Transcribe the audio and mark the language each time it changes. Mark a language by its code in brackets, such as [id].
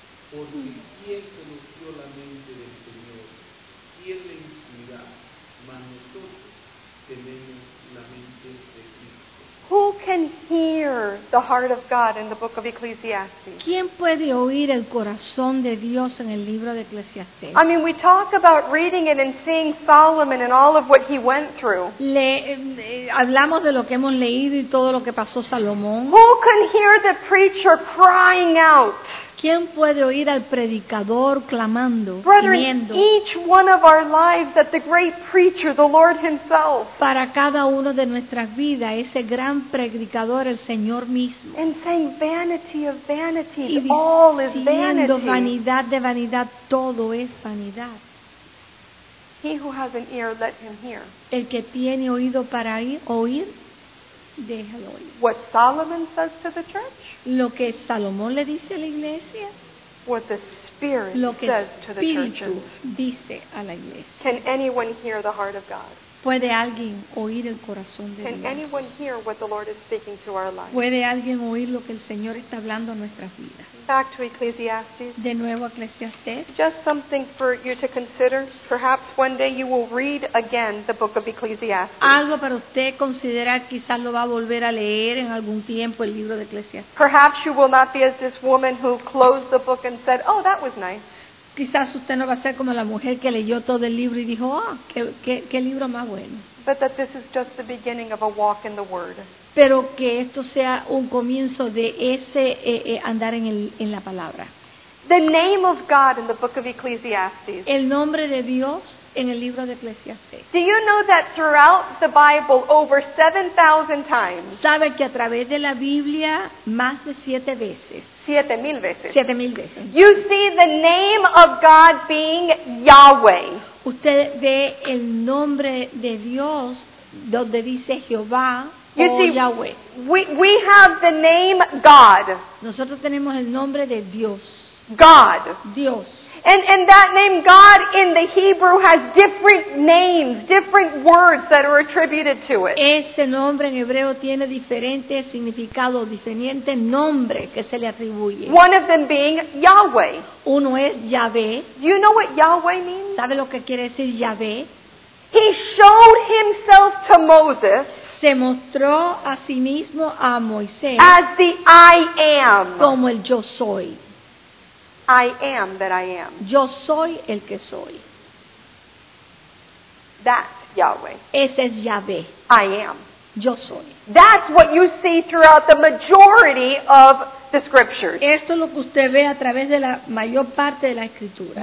[es] Porque ¿quién conoció la mente del Señor? ¿Quién le inspira? Mas nosotros tenemos la mente de Cristo. [en] Who can hear the heart of God in the book of Ecclesiastes? [es] ¿Quién puede oír el corazón de Dios en el libro de Eclesiastés? [en] I mean, we talk about reading it and seeing Solomon and all of what he went through. [es] Hablamos de lo que hemos leído y todo lo que pasó Salomón. [en] Who can hear the preacher crying out? [es] ¿Quién puede oír al predicador clamando, gimiendo? [en] Each one of our lives that the great preacher, the Lord himself. [es] Para cada uno de nuestras vidas, ese gran predicador, el Señor mismo. [en] And saying vanity of vanity, all is vanity. [es] Vanidad de vanidad, todo es vanidad. [en] He who has an ear, let him hear. [es] El que tiene oído para oír, déjalo oír. [en] What Solomon says to the church? [es] Lo que Salomón le dice a la iglesia. [en] What the Spirit says to the churches. [es] Lo que el Espíritu dice a la iglesia. [en] Can anyone hear the heart of God? [es] ¿Puede alguien oír el corazón de Dios? [en] Can anyone hear what the Lord is speaking to our lives? [es] ¿Puede alguien oír lo que el Señor está hablando a nuestras vidas? [en] Back to Ecclesiastes. [es] De nuevo a Ecclesiastes. [en] Just something for you to consider. Perhaps one day you will read again the book of Ecclesiastes. [es] Algo para usted considerar, quizás lo va a volver a leer en algún tiempo el libro de Ecclesiastes. [en] Perhaps you will not be as this woman who closed the book and said, "Oh, that was nice." [es] Quizás usted no va a ser como la mujer que leyó todo el libro y dijo, ah, qué libro más bueno. [en] But that this is just the beginning of a walk in the Word. [es] Pero que esto sea un comienzo de ese andar en la palabra. [en] The name of God in the book of Ecclesiastes. [es] El nombre de Dios en el libro de Eclesiastés. [en] Do you know that throughout the Bible over 7,000 times? [es] ¿Sabe que a través de la Biblia más de 7 veces? 7,000 veces. 7,000 veces. [en] You see the name of God being Yahweh. [es] Usted ve el nombre de Dios donde dice Jehová. [en] You oh, see, Yahweh. We have the name God. [es] Nosotros tenemos el nombre de Dios. [en] God. [es] Dios. [en] And that name God in the Hebrew has different names, different words that are attributed to it. [es] Ese nombre en hebreo tiene diferentes significados, diferentes nombres que se le atribuye. [en] One of them being Yahweh. [es] Uno es Yahvé. [en] Do you know what Yahweh means? [es] ¿Sabe lo que quiere decir Yahvé? [en] He showed himself to Moses. [es] Se mostró a sí mismo a Moisés. [en] As the I am. [es] Como el yo soy. [en] I am that I am. [es] Yo soy el que soy. [en] That's Yahweh. [es] Ese es Yahvé. [en] I am. [es] yo soy. [en] That's what you see throughout the majority of the scriptures. [es] Esto es lo que usted ve a través de la mayor parte de la escritura.